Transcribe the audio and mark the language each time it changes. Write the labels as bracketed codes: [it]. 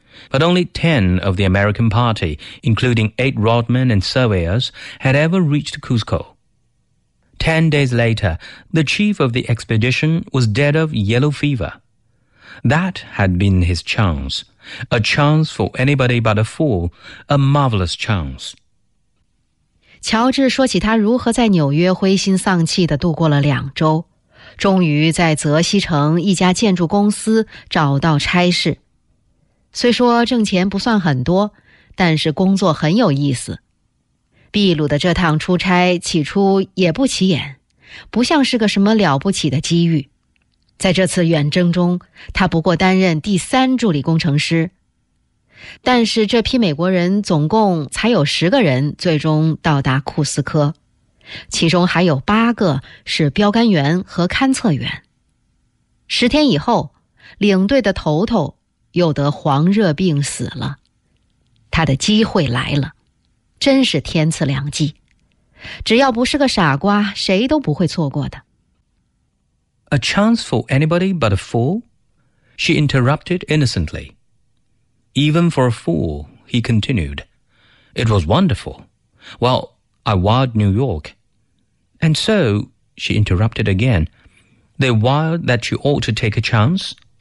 [en] But only 10 of the American party, including 8 rodmen and surveyors, had ever reached Cusco. 10 days later, the chief of the expedition was dead of yellow fever. That had been his chance, a chance for anybody but a fool, a marvelous chance. [zh] 乔治说起他如何在纽约灰心丧气地度过了两周，终于在泽西城一家建筑公司找到差事。虽说挣钱不算很多，但是工作很有意思。秘鲁的这趟出差起初也不起眼，不像是个什么了不起的机遇。在这次远征中，他不过担任第3助理工程师。但是这批美国人总共才有10个人最终到达库斯科，其中还有8个是标杆员和勘测员。 10天以后，领队的头头又得黄热病死了，他的机会来了，真是天赐良机，只要不是个傻瓜，谁都不会错过的。 [en] A chance for anybody but a fool? She interrupted innocently. Even for a fool, he continued. It was wonderful. Well, I wired New York. And so, she interrupted again, they wired that you ought to take a chance?